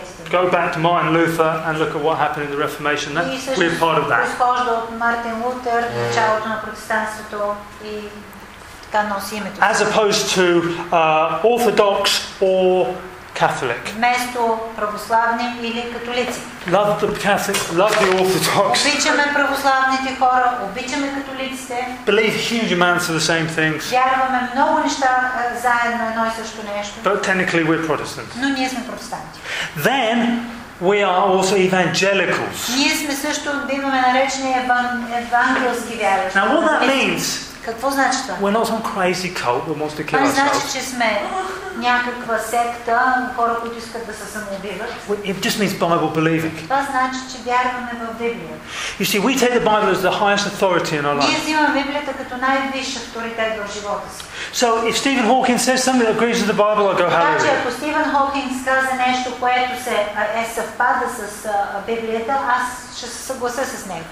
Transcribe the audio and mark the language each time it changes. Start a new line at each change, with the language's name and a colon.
English: Go back to Martin Luther and look at what happened in the Reformation. We're part of that. As opposed to Orthodox or Catholic.
Bulgarian: Вместо православни или католици.
English: Love the Catholic, love the Orthodox.
Bulgarian: Обичаме православните хора, обичаме католиците.
English: Believe huge amounts of the same things.
Bulgarian: Вярваме много неща заедно, едно и също нещо.
English: But technically we're Protestant.
Bulgarian: Но ние сме протестанти.
English: Then we are also evangelicals.
Bulgarian: Ние сме също биваме наречени евангелски вярващи.
English: Now what that means?
Bulgarian: Какво значи това?
English: We're not some crazy cult that wants to kill ourselves.
Bulgarian: Значи, че сме някаква секта, хора, които искат да се самоубиват.
English: It just means Bible believing.
Bulgarian: Това значи, че вярваме в Библия.
English: You see, we take the Bible as the highest authority in our life.
Bulgarian: Ние взимаме Библията като най-висш авторитет в живота си.
English: So if Stephen Hawking says something that agrees with the Bible, I go hallelujah.
Bulgarian: Ако Стивен Хокинг каже нещо, което се съвпада с Библията, аз ще се съглася с него.